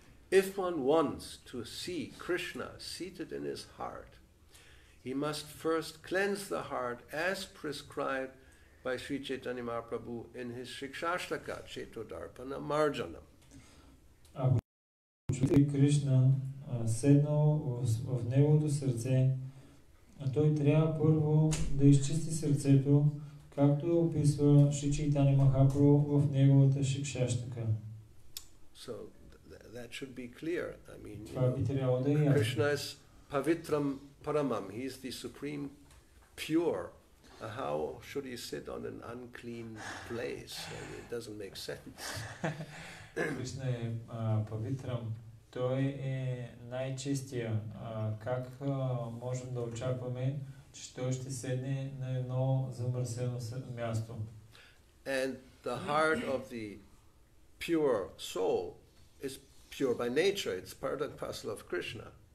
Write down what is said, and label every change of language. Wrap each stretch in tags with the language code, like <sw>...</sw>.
<en>If one wants to see Krishna seated in his heart, he must first cleanse the heart as prescribed by Sri Chaitanya Mahaprabhu in his Shikshashtaka, Chaitodarpana Marjanam.</en> <bg>Ако чути Кришна седнал в неговото сърце, той трябва първо да изчисти сърцето, както описва Шри Чайтанья Махапрабху в неговата Шикшаштака.</bg> <en>So that should be clear. I mean, Krishna is Pavitram Paramam. He is the supreme pure. How should he sit on an unclean place? I mean, it doesn't make sense.</en> <bg>Krishna е Павитрам. Той е най-чистия. Как можем да очакваме, че той ще седне на едно замърсено място?</bg> <en>And the heart of the pure soul is pure by nature. It's part and parcel of Krishna.</en>